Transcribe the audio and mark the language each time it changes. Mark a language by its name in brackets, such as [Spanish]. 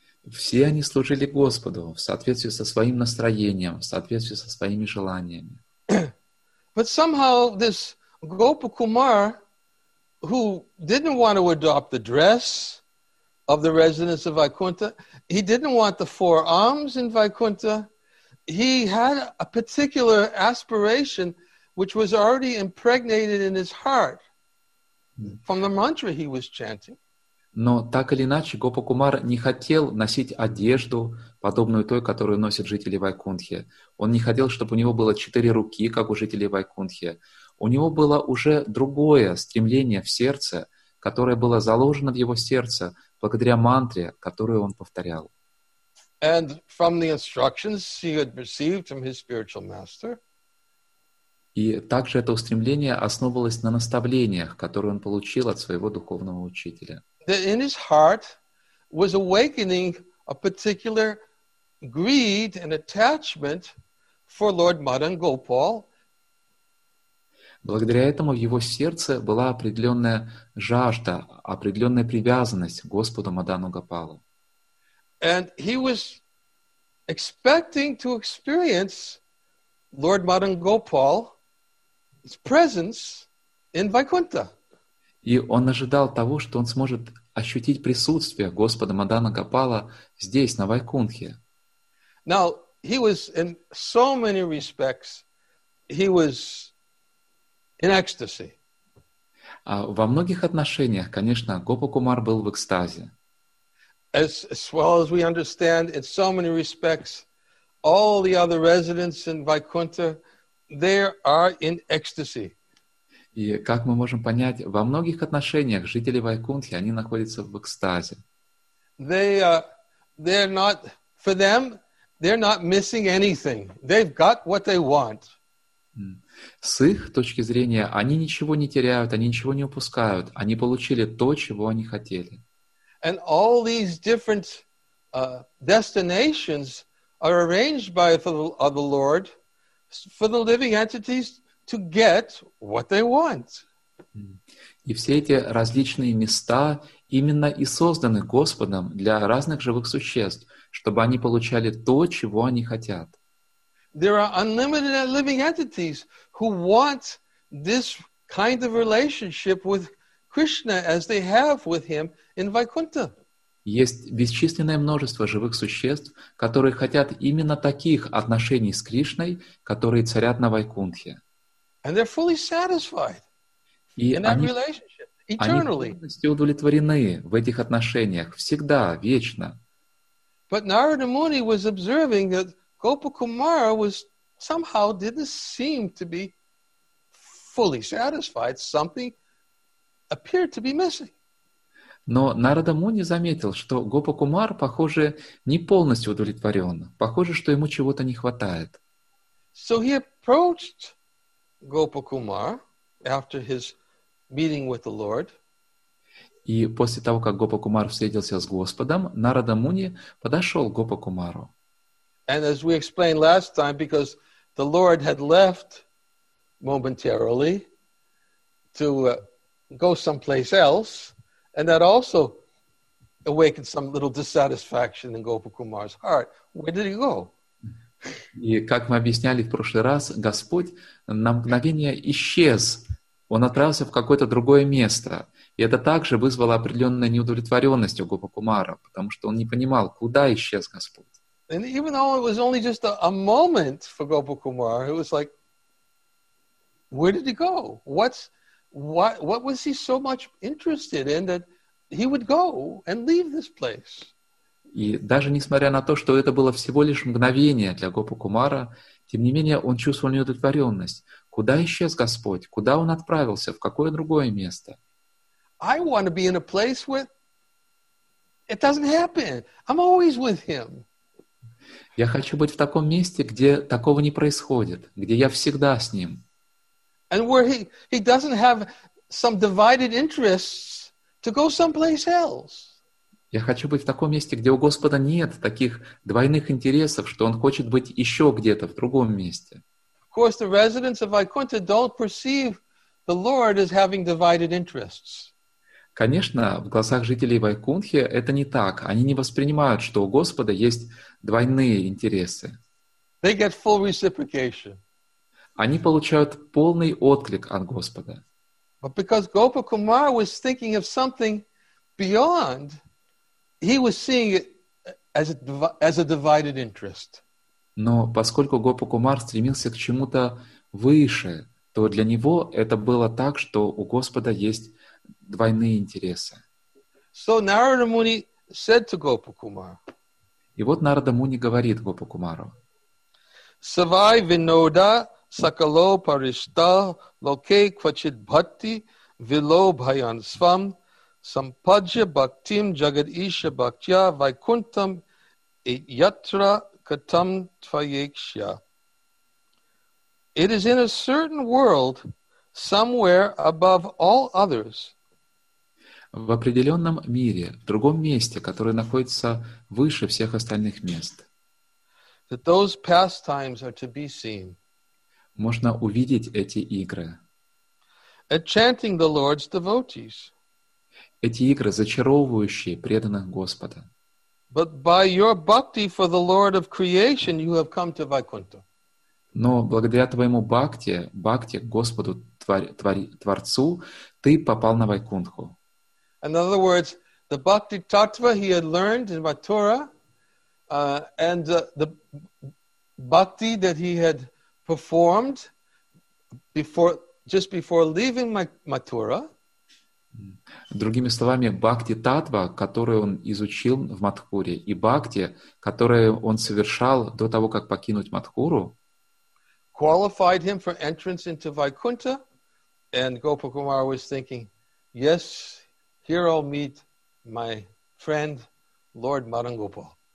[Russian] Все они служили Господу в соответствии со своим настроением, в соответствии со своими желаниями. [English] But somehow this Gopakumar, who didn't want to adopt the dress of the residents of Vaikuntha, he didn't want the four arms in Vaikuntha, he had a particular aspiration which was already impregnated in his heart from the mantra he was chanting. [Russian] Но так или иначе, Гопа-кумар не хотел носить одежду, подобную той, которую носят жители Вайкунтхи. Он не хотел, чтобы у него было четыре руки, как у жителей Вайкунтхи. У него было уже другое стремление в сердце, которое было заложено в его сердце благодаря мантре, которую он повторял. [English] And from the instructions he had received from his spiritual master, [Russian] и также это устремление основывалось на наставлениях, которые он получил от своего духовного учителя. [English] That in his heart was awakening a particular greed and attachment for Lord Madan Gopal. [Russian] Благодаря этому в его сердце была определенная жажда, определенная привязанность к Господу Мадану Гопалу. [English] And he was expecting to experience Lord Madan Gopal's presence in Vaikuntha. [Russian] И он ожидал того, что он сможет ощутить присутствие Господа Мадана Гопала здесь, на Вайкунтхе. [English] Now, he was in so many respects, he was in ecstasy. [Russian] Во многих отношениях, конечно, Гопа-кумар был в экстазе. [English] As well as we understand, in so many respects, all the other residents in Vaikuntha, they are in ecstasy. [Russian] И как мы можем понять, во многих отношениях жители Вайкунтхи, они находятся в экстазе. [English] They're not, for them, they're not missing anything. They've got what they want. [Russian] С их точки зрения, они ничего не теряют, они ничего не упускают. Они получили то, чего они хотели. [English] And all these different destinations are arranged by the Lord for the living entities to get what they want. [Russian] И все эти различные места именно и созданы Господом для разных живых существ, чтобы они получали то, чего они хотят. [English] There are unlimited living entities who want this kind of relationship with Krishna as they have with him in Vaikuntha. [Russian] Есть бесчисленное множество живых существ, которые хотят именно таких отношений с Кришной, которые царят на Вайкунтхе. [English] And they're fully satisfied in that relationship, eternally. [Russian] Они полностью удовлетворены в этих отношениях, всегда, вечно. [English] But Narada Muni was observing that Gopa-kumara was somehow didn't seem to be fully satisfied. Something appeared to be missing. [Russian] Но Нарада Муни заметил, что Гопа-кумар, похоже, не полностью удовлетворен. Похоже, что ему чего-то не хватает. [English] So he approached Gopa-kumar after his meeting with the Lord. [Russian] И после того, как Гопа-кумар встретился с Господом, Нарада Муни подошел к Гопа-кумару. [English] And as we explained last time, because the Lord had left momentarily to go someplace else, and that also awakened some little dissatisfaction in Gopa-kumar's heart. Where did he go? [Russian] И как мы объясняли в прошлый раз, Господь на мгновение исчез. Он отправился в какое-то другое место. И это также вызвало определенную неудовлетворенность у Гопа-кумара, потому что он не понимал, куда исчез Господь. [English] And even though it was only just a moment for Gopa-kumar, it was like, where did he go? What was he so much interested in that he would go and leave this place? [Russian] И даже несмотря на то, что это было всего лишь мгновение для Гопа-кумара, тем не менее он чувствовал неудовлетворенность. Куда исчез Господь? Куда он отправился? В какое другое место? [English] I want to be in a place where it doesn't happen. I'm always with him. [Russian] Я хочу быть в таком месте, где такого не происходит, где я всегда с ним. [English] And where he doesn't have some divided interests to go someplace else. [Russian] Я хочу быть в таком месте, где у Господа нет таких двойных интересов, что Он хочет быть еще где-то, в другом месте. [English] Of course, the residents of Vaikuntha don't perceive the Lord as having divided interests. [Russian] Конечно, в глазах жителей Вайкунтхи это не так. Они не воспринимают, что у Господа есть двойные интересы. [English] They get full reciprocation. [Russian] Они получают полный отклик от Господа. [English] But because Gopa-kumar was thinking of something beyond, he was seeing it as a divided interest. [Russian] Но поскольку Гопа-кумар стремился к чему-то выше, то для него это было так, что у Господа есть двойные интересы. [English] So Narada Muni said to Gopakumar. [Russian] И вот Нарада Муни говорит Гопакумару. [Sanskrit] Савай винода сакало париштал локе квачит бхатти вило бхаян свам сампаджа бхактим джагад иша бхактья вайкунтам и ятра катам твайекшья. [English] It is in a certain world, somewhere above all others. [Russian] В определенном мире, в другом месте, которое находится выше всех остальных мест, [English] that those pastimes are to be seen. [Russian] Можно увидеть эти игры. [English] At chanting the Lord's devotees. [Russian] Эти игры, зачаровывающие преданных Господа. [English] But by your bhakti for the Lord of creation, you have come to Vaikuntha. [Russian] Но благодаря твоему бхакти, бхакти Господу Творцу, ты попал на Вайкунтху. [English] In other words, the bhakti tattva he had learned in Mathura, and the bhakti that he had performed before, just before leaving Mathura. [Russian] Другими словами, бхакти татва, которую он изучил в Матхуре, и бхакти, которую он совершал до того, как покинуть Матхуру, [English] qualified him for entrance into Vaikuntha, and Gopakumar was thinking, yes, here I'll meet my friend, Lord Madangopal.